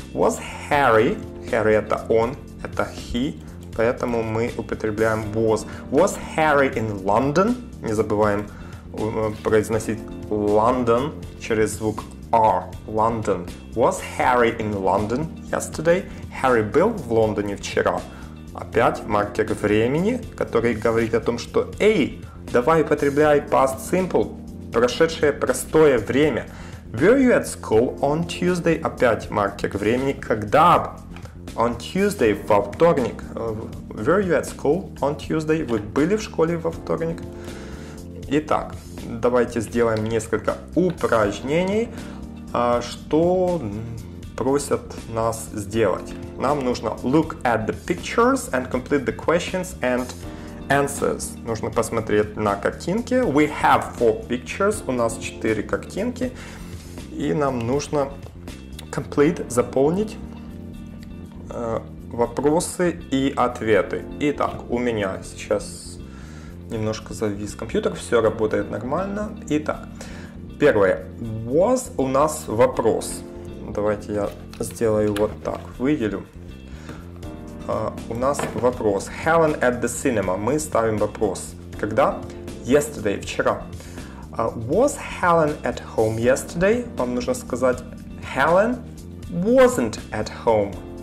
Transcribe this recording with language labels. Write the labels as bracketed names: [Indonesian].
[Russian] Was Harry, Harry это он, это he, поэтому мы употребляем was. [English] Was Harry in London? [Russian] Не забываем произносить London через звук R. [English] London. Was Harry in London yesterday? [Russian] Harry был в Лондоне вчера. Опять маркер времени, который говорит о том, что эй, давай употребляй past simple, прошедшее простое время. [English] Were you at school on Tuesday? [Russian] Опять маркер времени. Когда? On Tuesday, во вторник. [English] Were you at school on Tuesday? [Russian] Вы были в школе во вторник? Итак, давайте сделаем несколько упражнений, что просят нас сделать. Нам нужно [English] look at the pictures and complete the questions and answers. [Russian] Нужно посмотреть на картинки. [English] We have four pictures. [Russian] У нас четыре картинки. И нам нужно complete, заполнить вопросы и ответы. Итак, у меня сейчас немножко завис компьютер, все работает нормально. Итак, первое. Was у нас вопрос. Давайте я сделаю вот так, выделю. У нас вопрос. [English] Helen at the cinema. [Russian] Мы ставим вопрос. Когда? Yesterday, вчера. [English] Was Helen at home yesterday? [Russian] Вам нужно сказать [English] Helen wasn't at home.